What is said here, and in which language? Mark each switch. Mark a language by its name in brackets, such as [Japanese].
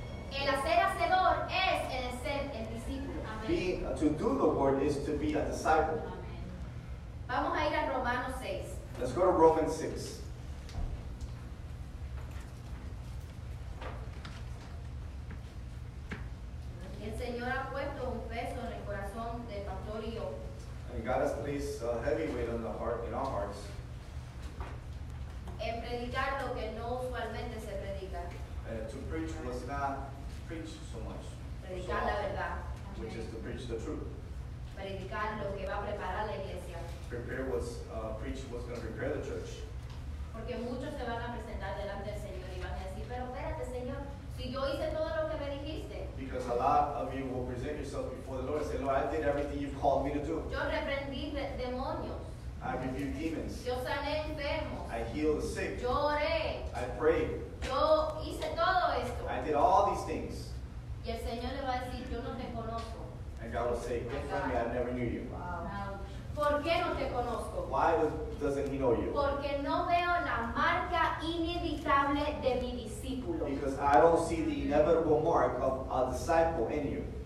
[Spanish] El hacer hacedor es el ser el discípulo. [English] Being, to do the word is to be a disciple. [Spanish] Amen. Vamos a ir a Romanos 6. [English] Let's go to Romans 6. [Spanish] El Señor ha puesto un peso en el corazón del pastor y yo. [English] And God has placed a heavy weight on the heart, in our hearts. [Spanish] En predicar lo que no usualmente se predica. [English] To preach was not preach so much. [Spanish] Predicar [English] so [Spanish] la verdad. [English] Which is to preach the truth. [Spanish] Predicar lo que va a preparar la iglesia. [English] Prepare what's, preach what's going to prepare the church. [Spanish] Porque muchos se van a presentar delante del Señor y van a decir, pero espérate, Señor. Si yo hice todo lo que me dijiste. [English] Because a lot of you will present yourself before the Lord and say, Lord, I did everything you've called me to do. [Spanish] Yo reprendí demonios. [English] I rebuked demons. [Spanish] Yo sané enfermos. [English] I healed the sick. [Spanish] Yo oré. [English] I prayed. [Spanish] Yo hice todo esto. [English] I did all these things. [Spanish] Y el Señor le va a decir, yo no te conozco. [English] And God will say, get from me, I never knew you. [Spanish] Wow. ¿Por qué no te conozco? [English] Why doesn't he know you? [Spanish] Porque no veo la marca inevitable de mi discípulo. [English] Because I don't see the inevitable mark of a disciple in you.